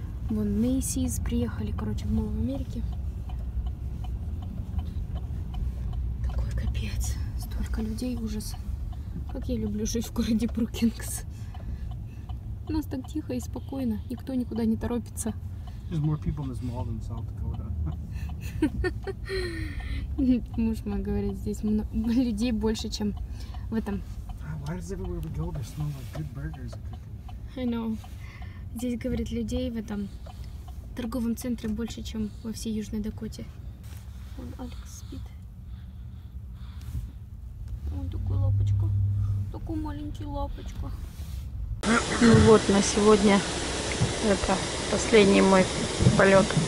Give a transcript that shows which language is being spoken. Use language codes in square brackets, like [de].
[ru] Вон Macy's приехали, короче, в Новую Америку. Такой капец, столько людей, ужас. Как я люблю жить в городе Брукингс. У нас так тихо и спокойно, никто никуда не торопится. [en] There's more people in this mall than South Dakota. [ru] Муж мой говорит, здесь людей больше, чем в этом. [en] Why does everywhere we go they smell like good burgers? I know. [ru] Здесь, говорит, людей в этом торговом центре больше, чем во всей Южной Дакоте. Вон Алекс спит. Вон такую лапочку. Такую маленькую лапочку. Ну вот, на сегодня это последний мой полет.